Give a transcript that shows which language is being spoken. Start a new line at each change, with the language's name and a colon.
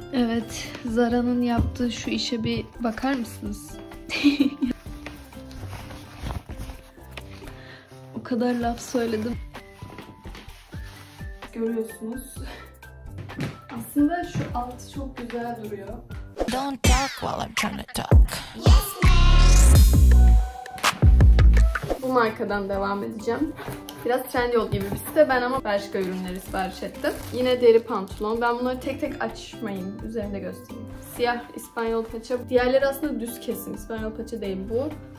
Turkish: Evet, Zara'nın yaptığı şu işe bir bakar mısınız? O kadar laf söyledim. Görüyorsunuz. Aslında şu alt çok güzel duruyor.
English: Don't talk while I'm trying to talk.
Turkish: Bu markadan devam edeceğim. Biraz Trendyol gibi bir site, ben ama Bershka ürünleri sipariş ettim. Yine deri pantolon. Ben bunları tek tek açmayayım, üzerinde göstereyim. Siyah İspanyol paça. Diğerleri aslında düz kesim. İspanyol paça değil bu.